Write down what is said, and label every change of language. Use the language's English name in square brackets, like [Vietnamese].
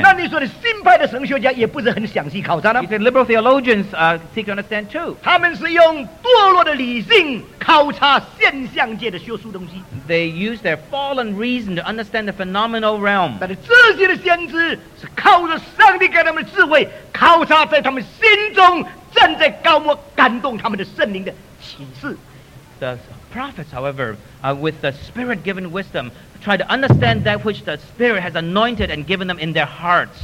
[Chinese] 那你说的新派的神学家也不是很详细考察呢？ [English] You said liberal theologians seek to understand too. [Chinese] 他们是用堕落的理性考察现象界的学术东西。 [English] They use their fallen reason to understand the phenomenal realm. [Chinese] 但是这些的先知是靠着上帝给他们的智慧，考察在他们心中站在高莫感动他们的圣灵的启示。 [English] The prophets, however, with the Spirit-given wisdom. Try to understand that which the Spirit has anointed and given them in their hearts.